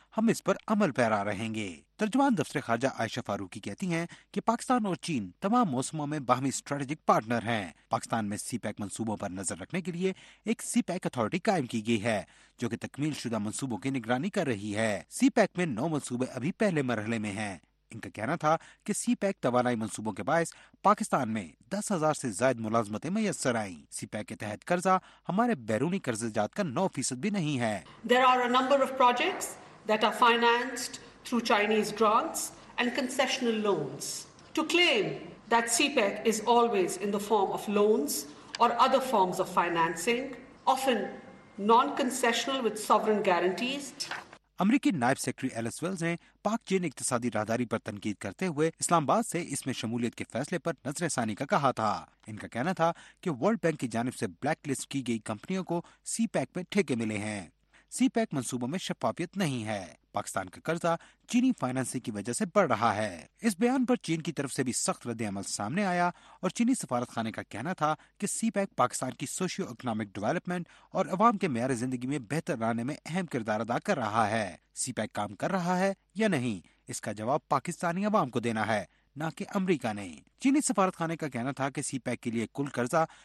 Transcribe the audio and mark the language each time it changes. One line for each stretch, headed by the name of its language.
Urdu: ہم اس پر عمل پیرا رہیں گے۔ ترجمان دفتر خارجہ عائشہ فاروقی کہتی ہیں کہ پاکستان اور چین تمام موسموں میں باہمی اسٹریٹجک پارٹنر ہیں۔ پاکستان میں سی پیک منصوبوں پر نظر رکھنے کے لیے ایک سی پیک اتھارٹی قائم کی گئی ہے جو کہ تکمیل شدہ منصوبوں کی نگرانی کر رہی ہے۔ سی پیک میں 9 منصوبے ابھی پہلے مرحلے میں ہیں، ان کا کہنا تھا کہ سی پیک توانائی منصوبوں کے باعث پاکستان میں 10,000 سے زائد ملازمتیں میسر آئیں۔ سی پیک کے تحت قرضہ ہمارے بیرونی قرضہ جات کا 9% بھی نہیں ہے۔
English: There are a number of projects that are financed through Chinese grants and concessional loans. To claim that CPEC is always in the form of loans or other forms of financing, often non-concessional with sovereign guarantees.
Urdu: امریکی نائب secretary Alice Wells نے پاک چین اقتصادی راہداری پر تنقید کرتے ہوئے اسلام آباد سے اس میں شمولیت کے فیصلے پر نظر ثانی کا کہا تھا۔ ان کا کہنا تھا کہ ورلڈ بینک کی جانب سے بلیک لسٹ کی گئی کمپنیوں کو سی پیک میں ٹھیکے ملے ہیں۔ سی پیک منصوبوں میں شفافیت نہیں ہے۔ پاکستان کا قرضہ چینی فائنانسنگ کی وجہ سے بڑھ رہا ہے۔ اس بیان پر چین کی طرف سے بھی سخت رد عمل سامنے آیا اور چینی سفارت خانے کا کہنا تھا کہ سی پیک پاکستان کی سوشیو اکنامک ڈیولپمنٹ اور عوام کے معیار زندگی میں بہتر لانے میں اہم کردار ادا کر رہا ہے۔ سی پیک کام کر رہا ہے یا نہیں، اس کا جواب پاکستانی عوام کو دینا ہے، نہ کہ امریکہ نے۔ چینی سفارت خانے کا کہنا تھا کہ سی پیک کے لیے کل قرضہ